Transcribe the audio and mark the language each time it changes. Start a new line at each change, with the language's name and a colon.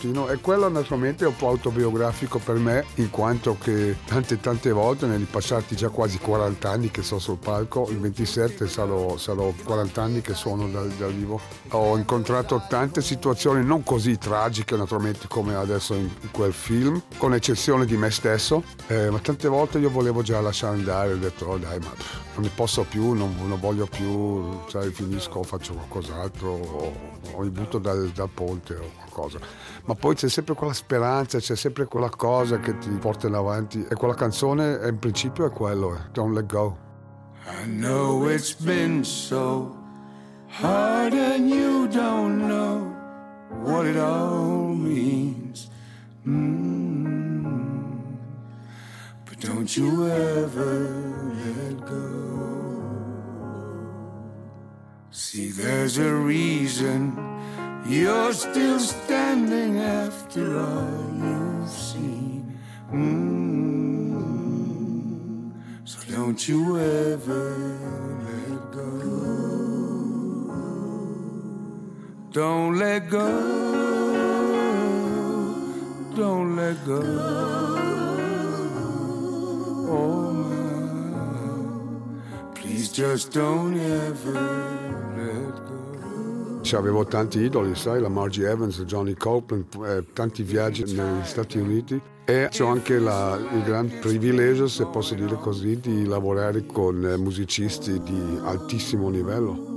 Italian: E quello naturalmente è un po' autobiografico per me, in quanto che tante volte, negli passati già quasi 40 anni che sono sul palco, il 27 sarò 40 anni che suono dal vivo, ho incontrato tante situazioni non così tragiche naturalmente come adesso in quel film, con eccezione di me stesso, ma tante volte io volevo già lasciare andare, ho detto oh, dai, ma non ne posso più, non voglio più, sai, finisco, faccio qualcos'altro, o mi butto dal ponte o qualcosa. Ma poi c'è sempre quella speranza, c'è sempre quella cosa che ti porta in avanti, e quella canzone in principio è quello, Don't Let Go.
English: I know it's been so hard and you don't know what it all means, but don't you ever let go. See, there's a reason you're still standing after all you've seen, so don't you ever let go. Don't let go, don't let go, oh my, please just don't ever let go.
Italian: C'avevo tanti idoli, sai, la Margie Evans, Johnny Copeland, tanti viaggi negli Stati Uniti. E ho anche il gran privilegio, se posso dire così, di lavorare con musicisti di altissimo livello.